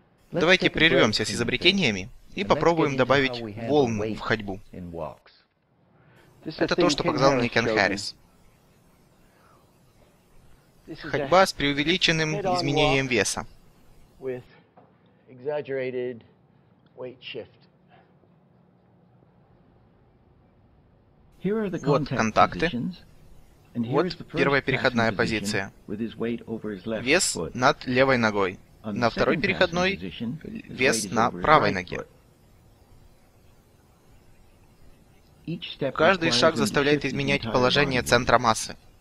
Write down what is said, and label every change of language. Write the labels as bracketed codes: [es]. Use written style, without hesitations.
[ru] Давайте прервемся с изобретениями и попробуем добавить волн в ходьбу. Это то, что показал мне Кен Харрис. Ходьба с преувеличенным изменением веса. [en] With exaggerated weight shift. Here are the contact [ru] вот контакты. Вот первая переходная позиция. Вес над левой ногой. На второй переходной вес на правой ноге. Каждый шаг заставляет изменять положение центра массы.